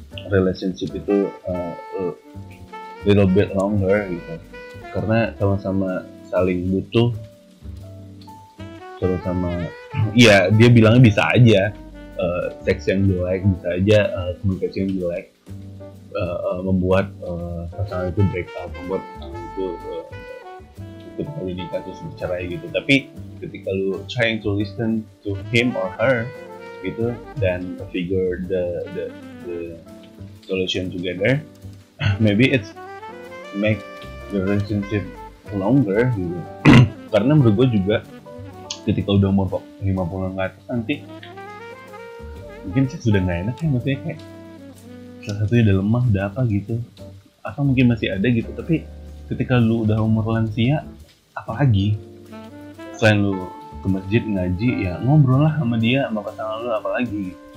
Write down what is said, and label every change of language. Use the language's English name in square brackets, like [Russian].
[Indonesian] relationship itu [English] little bit longer [Indonesian] gitu, karena sama-sama saling butuh, terus sama ya dia bilangnya bisa aja seks yang jelek, bisa aja komunikasi yang jelek membuat pasangan itu [English] break up, [Indonesian] membuat itu kali ini kasus bercerai gitu. Tapi ketika lu [English] trying to listen to him or her gitu dan figure the solution together, maybe it's make the relationship longer gitu. [Indonesian] Karena menurut gue juga ketika udah umur 50-an ke atas nanti mungkin sih sudah gak enak ya, maksudnya kayak salah satunya udah lemah, udah apa gitu, atau mungkin masih ada gitu, tapi ketika lu udah umur lansia apalagi selain lu ke masjid ngaji ya ngobrol lah sama dia, sama pasangan lu apalagi.